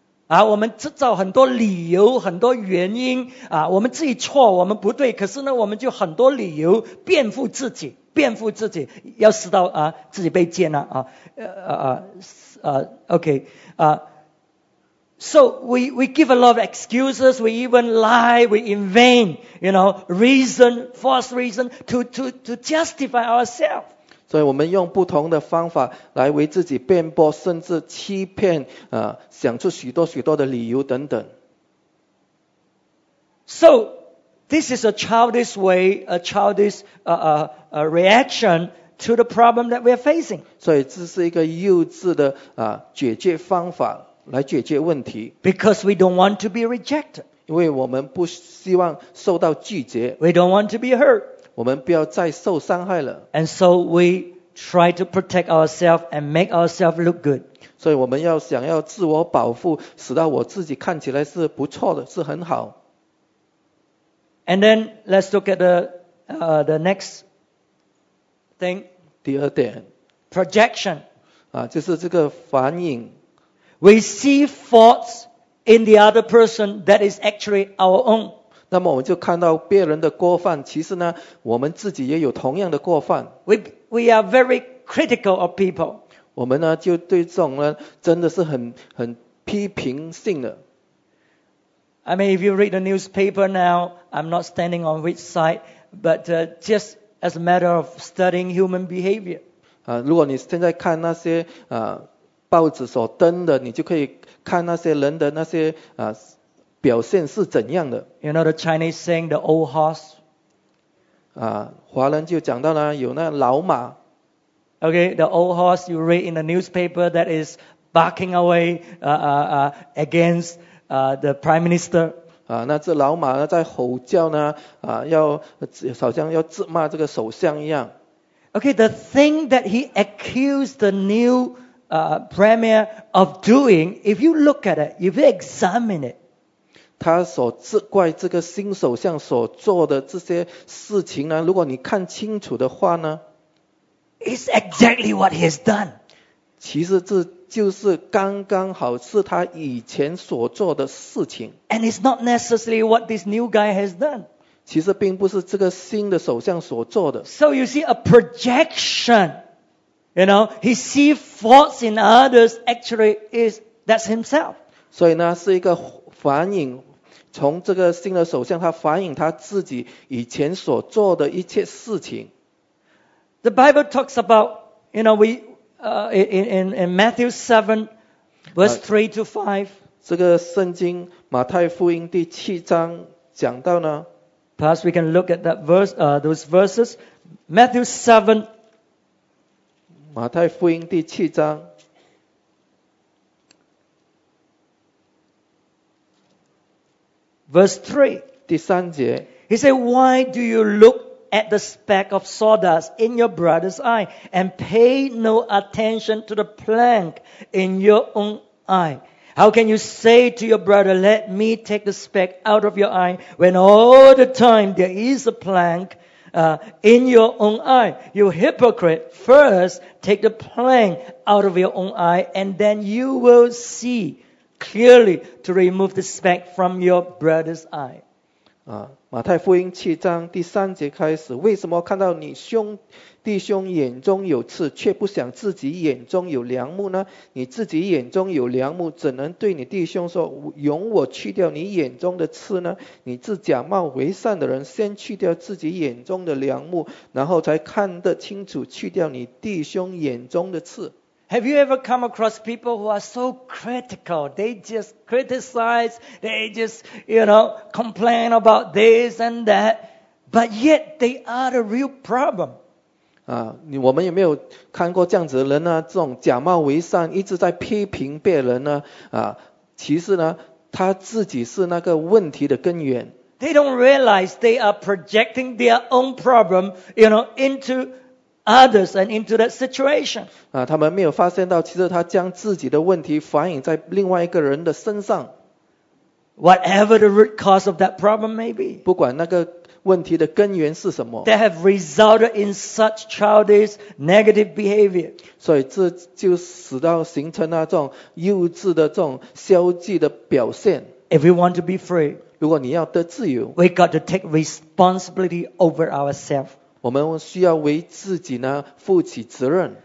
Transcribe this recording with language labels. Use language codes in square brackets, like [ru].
[zh] 我们制造很多理由，很多原因我们自己错，我们不对，可是呢我们就很多理由辩护自己，辩护自己要使到自己被接纳 [en] So we give a lot of excuses, we even lie, we invent, you know, reason, false reason to justify ourselves. [zh] 所以我们用不同的方法来为自己辩驳，甚至欺骗想出许多许多的理由等等。 [en] So this is a childish way, a childish reaction to the problem that we are facing. [zh] 所以这是一个幼稚的解决方法。来解决问题。 [en] Because we don't want to be rejected. [zh] 因为我们不希望受到拒绝。 [en] We don't want to be hurt. [zh] 我们不要再受伤害了。 [en] And so we try to protect ourselves and make ourselves look good. [zh] 所以我们要想要自我保护，使到我自己看起来是不错的，是很好。 [en] And then let's look at the next thing. [zh] 第二点。 [en] Projection. [zh] 就是这个反应。 [en] We see faults in the other person that is actually our own. [zh] 那么我们就看到别人的过犯，其实呢，我们自己也有同样的过犯。 [en] We are very critical of people. [zh] 我们呢，就对这种呢，真的是很批评性的。 [en] I mean, if you read the newspaper now, I'm not standing on which side, but just as a matter of studying human behavior. [zh] 如果你现在看那些报纸所登的，你就可以看那些人的那些表现是怎样的。 [en] You know the Chinese saying the old horse. [zh] 华人就讲到了有那老马。 [en] Okay, the old horse you read in the newspaper that is barking away against the prime minister. [zh] 那只老马呢在吼叫呢，要好像要质骂这个首相一样。 [en] Okay, the thing that he accused the new premier of doing, if you look at it, if you examine it, [zh] 他所责怪这个新首相所做的这些事情呢，如果你看清楚的话呢， [en] it's exactly what he has done. [zh] 其实这就是刚刚好是他以前所做的事情。 [en] And it's not necessarily what this new guy has done. [zh] 其实并不是这个新的首相所做的。 [en] So you see a projection. You know, he sees faults in others, actually that's himself. [zh] 所以呢，是一个反映，从这个新的首相，他反映他自己以前所做的一切事情。 [en] The Bible talks about, you know, in Matthew 7, verse 3 to 5. [zh] 这个圣经，马太福音第七章讲到呢。 [en] Perhaps we can look at that verse, those verses. Matthew 7, [zh] 马太福音第七章 [en] verse 3 [zh] 第三节 [en] He said, Why do you look at the speck of sawdust in your brother's eye and pay no attention to the plank in your own eye? How can you say to your brother, Let me take the speck out of your eye when all the time there is a plankin your own eye, you hypocrite, first take the plank out of your own eye, and then you will see clearly to remove the speck from your brother's eye. [zh] 啊，马太福音七章第三节开始，为什么看到你兄弟兄眼中有刺，却不想自己眼中有梁木呢？你自己眼中有梁木，怎能对你弟兄说，容我去掉你眼中的刺呢？你自假冒为善的人，先去掉自己眼中的梁木，然后才看得清楚，去掉你弟兄眼中的刺。 [en] Have you ever come across people who are so critical? They just criticize, they just, you know, complain about this and that, but yet they are the real problem. [zh] 啊，你我们有没有看过这样子的人呢？这种假冒为善，一直在批评别人呢？啊，其实呢，他自己是那个问题的根源。 [en] They don't realize they are projecting their own problem, you know, into others and into that situation. [zh] 啊，他们没有发现到，其实他将自己的问题反映在另外一个人的身上。 [en] Whatever the root cause of that problem may be. [zh] 不管那个问题的根源是什么。 [en] They have resulted in such childish negative behavior. [zh] 所以这就使到形成那种幼稚的这种消极的表现。 [en] If we want to be free, [zh] 如果你要得自由， [en] we got to take responsibility over ourselves. [zh] 我们需要为自己呢负起责任。